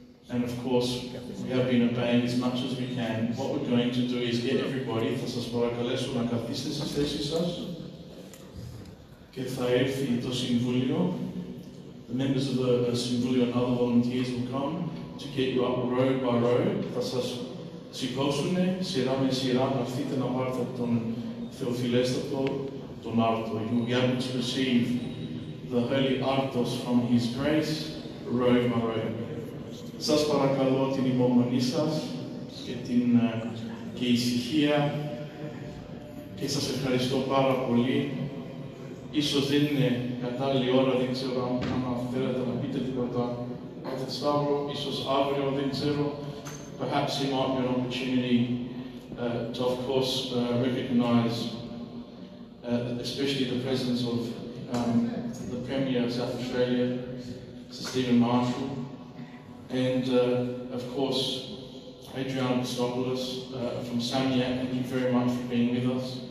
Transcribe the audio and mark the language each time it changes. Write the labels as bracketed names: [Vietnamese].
[English] And of course, we have been obeying as much as we can. What we're going to do is get everybody, [Greek] θα σας παρακαλέσω να καθίσετε στη θέση σας και θα έρθει το Συμβούλιο. [English] The members of the Συμβούλιο and other volunteers will come to get you up row by row. [Greek] Θα σας σηκώσουν σειρά με σειρά να έρθετε να πάρετε τον Θεοφιλέστατο, τον Άρτο. [English] You will be able to receive the Holy Artos from His Grace, row by row. [Greek] Σας παρακαλώ την υπομονή σας και την και ησυχία και σας ευχαριστώ πάρα πολύ. Ίσως δεν είναι κατάλληλη ώρα, δεν ξέρω αν θέλετε να πείτε τίποτα. Πάτε Σταύρο, ίσως αύριο, δεν ξέρω. [English] Perhaps it might be an opportunity to of course recognize especially the presence of the Premier of South Australia, Sir Stephen Marshall. And of course, Adrian Christopoulos from SAMIAC, thank you very much for being with us.